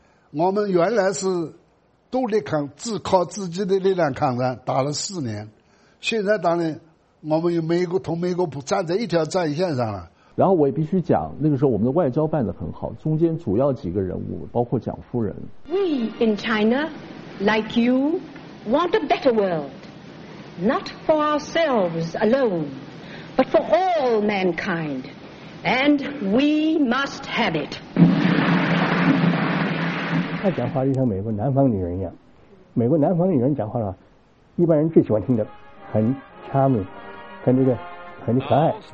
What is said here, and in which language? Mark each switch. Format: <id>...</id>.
<zh>我们原来是独立抗，只靠自己的力量抗战，打了4年。现在当然，我们与美国同美国不站在一条战线上了。然后我也必须讲，那个时候我们的外交办得很好，中间主要几个人物，包括蒋夫人。</zh> <en>We in China, like you, want a better world. Not for ourselves alone, but for all mankind, and we must have it.</en> <zh>他讲话就像美国南方女人一样，美国南方女人讲话了，一般人最喜欢听的，很 charming， 很那个，很可爱。</zh>